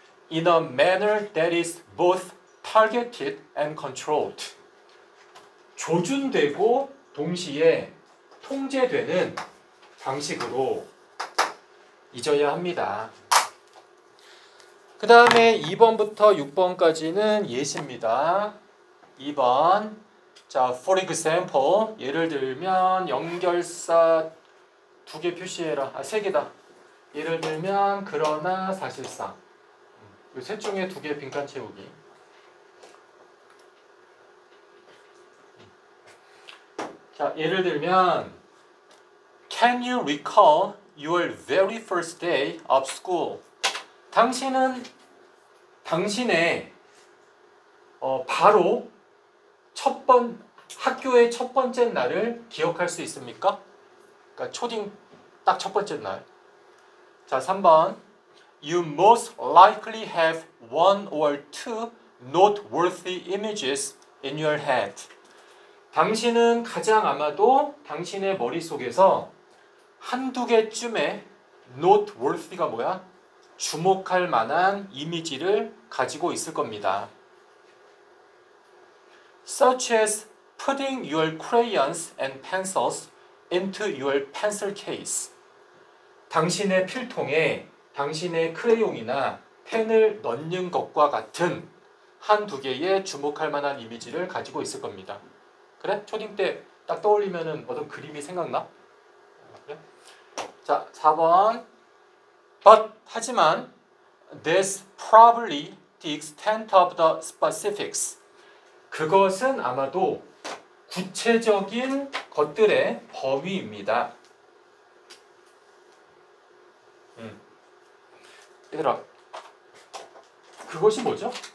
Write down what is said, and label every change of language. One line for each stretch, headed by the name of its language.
English: in a manner that is both targeted and controlled.
Korean: 조준되고 동시에 통제되는 방식으로 잊어야 합니다. 그 다음에 2번부터 6번까지는 예시입니다. 2번 자,
English: for example,
Korean: 예를 들면 연결사 두 개 표시해라. 아, 세 개다. 예를 들면 그러나 사실상 이 셋 중에 두 개 빈칸 채우기. 자, 예를 들면
English: Can you recall your very first day of school?
Korean: 당신은 당신의 바로 첫 번 학교의 첫 번째 날을 기억할 수 있습니까? 그러니까 초딩 딱 첫 번째 날. 자, 3번.
English: You most likely have one or two noteworthy images in your head.
Korean: 당신은 가장 아마도 당신의 머릿속에서 한두 개쯤의 noteworthy가 뭐야? 주목할 만한 이미지를 가지고 있을 겁니다.
English: Such as putting your crayons and pencils into your pencil case.
Korean: 당신의 필통에 당신의 크레용이나 펜을 넣는 것과 같은 한두 개의 주목할 만한 이미지를 가지고 있을 겁니다. 그래? 초딩 때 딱 떠올리면은 어떤 그림이 생각나? 그래? 자, 4번.
English: But,
Korean: 하지만,
English: that's probably the extent of the specifics.
Korean: 그것은 아마도 구체적인 것들의 범위입니다. 얘들아, 그것이 뭐죠?